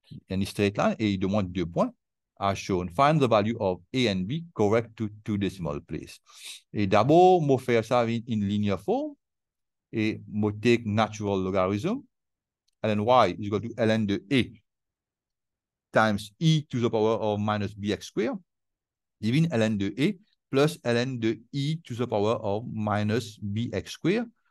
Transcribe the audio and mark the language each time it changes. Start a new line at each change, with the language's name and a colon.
French: Une straight line, et il demande deux points.
English: As shown, find the value of a and b correct to two decimal place.
French: Et d'abord, je vais faire ça
English: in linear form.
French: Et je vais
English: take natural logarithm. Ln y is equal to ln de a times e to the power of minus bx squared, divin ln de a plus ln de e to the power of minus bx squared.